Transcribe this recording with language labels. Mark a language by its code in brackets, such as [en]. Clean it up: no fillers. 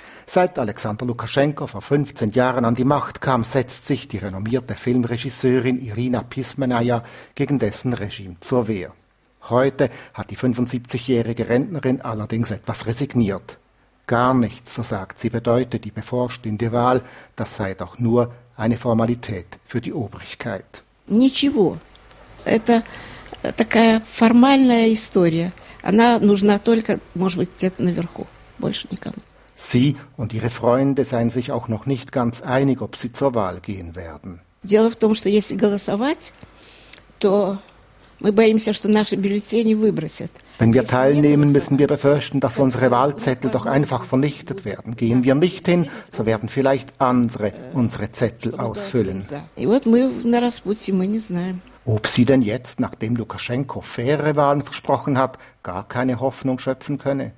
[de] Seit Alexander Lukaschenko vor 15 Jahren an die Macht kam, setzt sich die renommierte Filmregisseurin Irina Pismenaya gegen dessen Regime zur Wehr. Heute hat die 75-jährige Rentnerin allerdings etwas resigniert. Gar nichts, so sagt sie, bedeutet die bevorstehende Wahl, das sei doch nur eine Formalität für die Obrigkeit. [ru] Ничего. Это такая формальная история. Она нужна только, может быть, где-то наверху, больше никому. [de] Sie und ihre Freunde seien sich auch noch nicht ganz einig, ob sie zur Wahl gehen werden. [ru] Дело в том, что если голосовать, то мы боимся, что наши бюллетени выбросят. [de] Wenn wir teilnehmen, müssen wir befürchten, dass unsere Wahlzettel doch einfach vernichtet werden. Gehen wir nicht hin, so werden vielleicht andere unsere Zettel ausfüllen. Ob sie denn jetzt, nachdem Lukaschenko faire Wahlen versprochen hat, gar keine Hoffnung schöpfen könne?